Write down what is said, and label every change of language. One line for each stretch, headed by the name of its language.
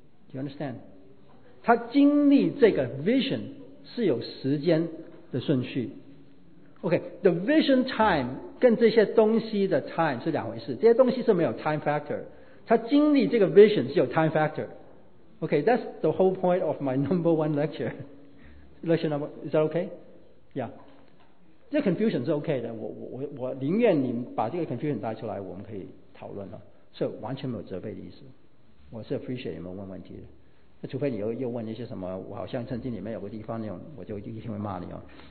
English: Do you understand？
Chinese: 他经历这个 vision 是有时间的顺序。
English: Okay, the vision time
Chinese: 跟这些东西的 time 是两回事，这些东西是没有 time factor， 他经历这个 vision 是有 time factor。
English: Okay, that's the whole point of my number one lecture. Lecture number, is that okay?
Chinese: Yeah， 这 confusion 是 okay 的， 我宁愿你把这个 confusion 带出来我们可以讨论了，所以完全没有责备的意思，我是 appreciate 你们问问题的，那除非你又问一些什么我好像圣经里面有个地方那种，我就一定会骂你哦。